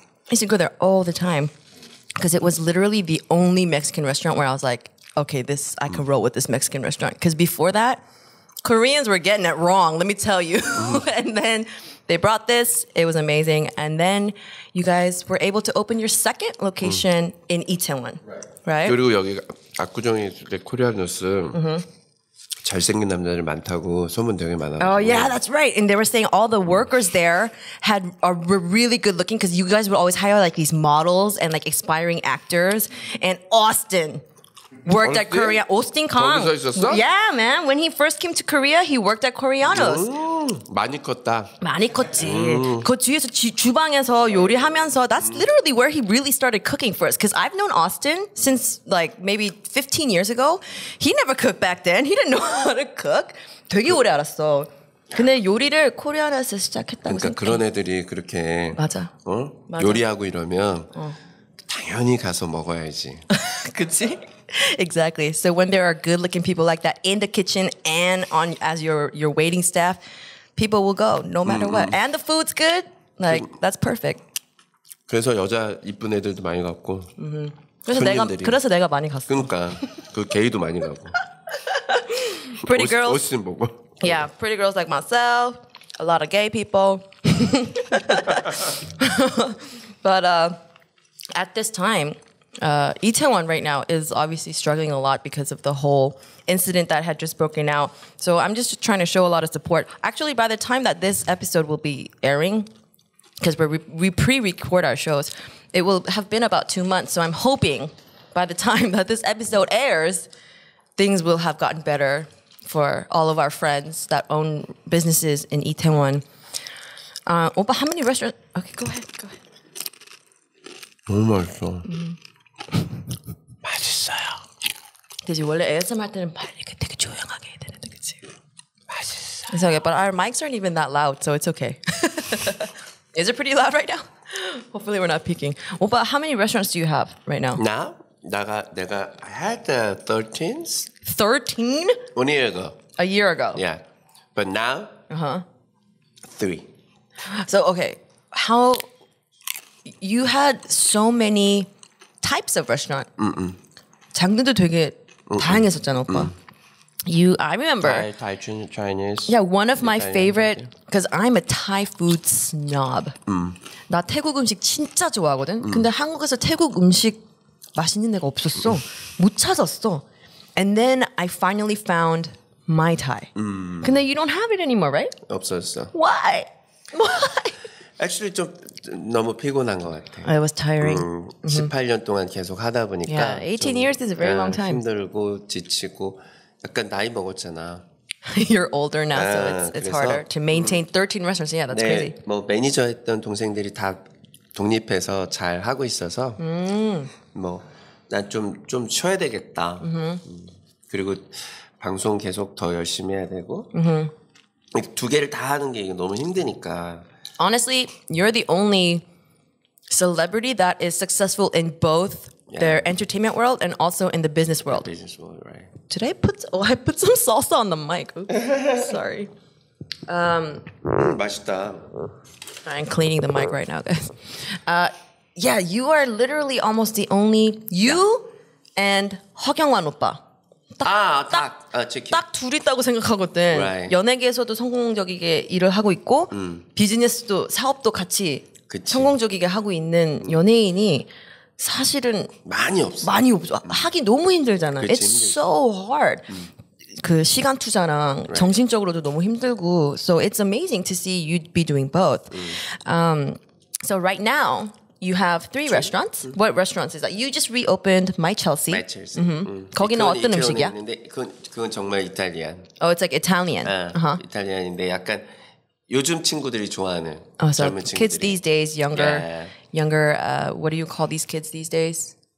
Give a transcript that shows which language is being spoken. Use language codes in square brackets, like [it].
[en] I used to go there all the time because it was literally the only Mexican restaurant where I was like, okay, this I can roll with this Mexican restaurant. Because before that, Koreans were getting it wrong, let me tell you. And then they brought this. It was amazing. And then you guys were able to open your second location in Itaewon. Right? [ko] 그리고 여기 압구정에 있을 때 코리아노스 잘생긴 남자들 많다고 소문 되게 많았어. [en] Oh yeah, that's right. And they were saying all the workers there had were really good looking because you guys would always hire like these models and like aspiring actors. And Austin worked at Korea. Austin Kong. [ko] 거기서 있었어? [en] Yeah, man. When he first came to Korea, he worked at Koreanos. [ko] 많이 컸다. 많이 컸지. 그 뒤에서 주방에서 요리하면서 [en] that's literally where he really started cooking for us. Because I've known Austin since like maybe 15 years ago. He never cooked back then. He didn't know how to cook. [ko] 되게 오래 알았어. 근데 요리를 코리아나에서 시작했다고 그러니까 생각. 그런 애들이 그렇게 맞아. 어? 맞아. 요리하고 이러면 당연히 가서 먹어야지. 그치? [en] Exactly. So when there are good-looking people like that in the kitchen and on as your waiting staff, people will go no matter what. And the food's good. Like that's perfect. [ko] 그래서 여자 이쁜 애들도 많이 갔고. 그래서 내가 많이 갔어. 그러니까 그 게이도 많이 가고. [en] Pretty girls. [ko] 멋있는 보고. [en] Yeah, pretty girls like myself. A lot of gay people. But at this time. Itaewon right now is obviously struggling a lot because of the whole incident that had just broken out. So I'm just trying to show a lot of support. Actually, by the time that this episode will be airing, because we pre-record our shows, it will have been about 2 months. So I'm hoping by the time that this episode airs, things will have gotten better for all of our friends that own businesses in Itaewon. Oh, but how many restaurants? Okay, go ahead. Go ahead. Oh my God. [ko] 맛있어요. 그치, 원래 ASMR 때는 말 이렇게 되게 조용하게 해야 되는데, 그치? 맛있어요. [en] It's okay, but our mics aren't even that loud, so it's okay. Is it pretty loud right now? Hopefully we're not peaking. Well, but how many restaurants do you have right now? Now? [ko] 내가 [en] I had 13. 13? 1 year ago. A year ago. Yeah. But now? Uh-huh. 3. So, okay. How... You had so many... types of restaurant. [ko] 장르도 되게 다양했었잖아, 오빠. [en] You, I remember. Thai, Chinese. Yeah, one of my favorite, because I'm a Thai food snob. [ko] 나 태국 음식 진짜 좋아하거든. 근데 한국에서 태국 음식 맛있는 데가 없었어. 못 찾았어. [en] And then I finally found Mai Thai. [ko] 근데 [en] you don't have it anymore, right? [ko] 없었어. [en] Why? Why? Actually, [ko] 좀 너무 피곤한 것 같아. [en] I was tiring. [ko] 18년 동안 계속 하다 보니까. [en] Yeah, 18 years is a very long time. [ko] 힘들고 지치고 약간 나이 먹었잖아. [en] You're older now, so it's harder to maintain 13 restaurants. Yeah, that's [ko] 네, [en] crazy. [ko] 뭐 매니저 했던 동생들이 다 독립해서 잘 하고 있어서 뭐 난 좀 쉬어야 되겠다. 그리고 방송 계속 더 열심히 해야 되고 두 개를 다 하는 게 너무 힘드니까. [en] Honestly, you're the only celebrity that is successful in both their entertainment world and also in the business world. The business world, right. Did I put some salsa on the mic? Oops, sorry. [ko] 맛있다. [en] I'm cleaning the mic right now, guys. Yeah, you are literally almost the only you yeah. and [ko] 허경환 오빠. 딱 둘이 있다고 생각하거든. [en] Right. [ko] 연예계에서도 성공적이게 일을 하고 있고 비즈니스도 사업도 같이 그치. 성공적이게 하고 있는 연예인이 사실은 많이 없어. 많이 없어. 하기 너무 힘들잖아. 그치, [en] it's [ko] 힘들지. [en] so hard. [ko] 그 시간 투자랑 [en] right. [ko] 정신적으로도 너무 힘들고. [en] So it's amazing to see you'd be doing both. So right now you have three restaurants. What restaurants is that? You just reopened My Chelsea. My Chelsea. Mm-hmm. [ko] 거기는 어떤 음식이야? 그건 정말 이탈리안. [en] Oh, it's like Italian. [ko] 이탈리안인데 약간 요즘 친구들이 좋아하는 [en] so [ko] 젊은 친구들. [en] Kids these days, younger, yeah. younger. What do you call these kids these days?